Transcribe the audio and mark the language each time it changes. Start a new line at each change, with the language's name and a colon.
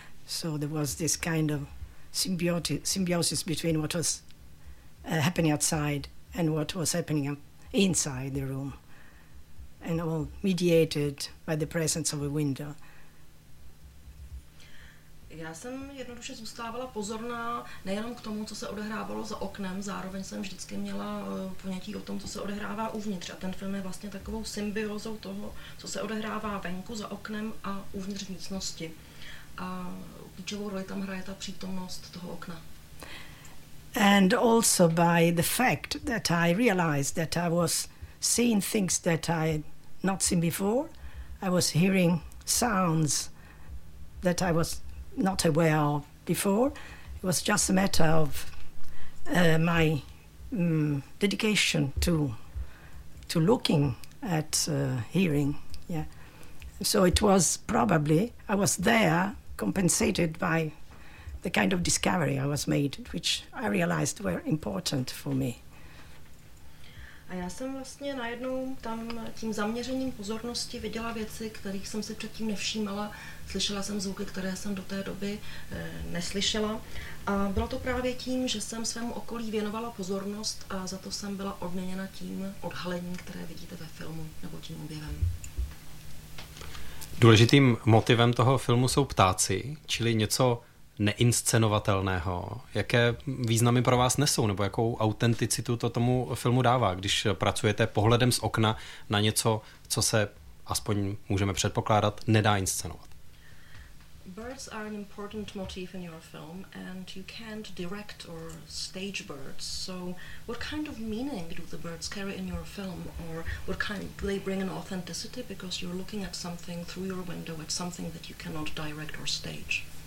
English: So there was this kind of symbiosis between what was happening outside and what was happening inside the room, and all mediated by the presence of a window.
Czech: Já jsem jednoduše zůstávala pozorná nejenom k tomu, co se odehrávalo za oknem, zároveň jsem vždycky měla ponětí o tom, co se odehrává uvnitř. A ten film je vlastně takovou symbiózou toho, co se odehrává venku za oknem a uvnitř místnosti. A klíčovou roli tam hraje ta přítomnost toho okna.
English: And also by the fact that I realized that I was seeing things that I had not seen before, I was hearing sounds that I was not aware of before. It was just a matter of my dedication to looking at hearing. Yeah. So it was probably, I was there compensated by the kind of discovery I was made, which I realized were important for me.
Czech: A já jsem vlastně najednou tam tím zaměřením pozornosti viděla věci, kterých jsem si předtím nevšímala. Slyšela jsem zvuky, které jsem do té doby neslyšela. A bylo to právě tím, že jsem svému okolí věnovala pozornost a za to jsem byla odměněna tím odhalením, které vidíte ve filmu, nebo tím objevem. Důležitým motivem toho filmu jsou ptáci, čili něco neinscenovatelného. Jaké významy pro vás nesou, nebo jakou autenticitu to tomu filmu dává, když pracujete pohledem z okna na něco, co se, aspoň můžeme předpokládat, nedá inscenovat?
English: Birds are an important motif in your film, and you can't direct or stage birds. So what kind of meaning do the birds carry in your film, or what kind do they bring in authenticity, because you're looking at something through your window, at something that you cannot direct or stage?